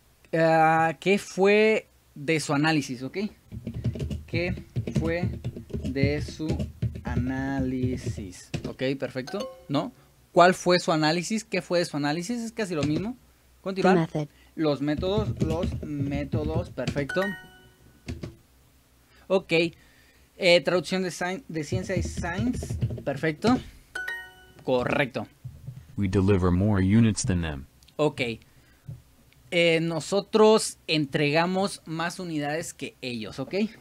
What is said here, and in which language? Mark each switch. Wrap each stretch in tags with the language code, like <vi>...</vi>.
<es>¿Qué fue de su análisis? Ok. ¿Qué fue de su análisis? Ok, perfecto. ¿No? ¿Cuál fue su análisis? ¿Qué fue de su análisis? Es casi lo mismo. Continuar. Los métodos. Perfecto. Ok. Traducción de ciencia y science. Perfecto. Correcto.</es> <en>We deliver more units than them. Ok.</en> <es>Nosotros entregamos más unidades que ellos. Ok.</es>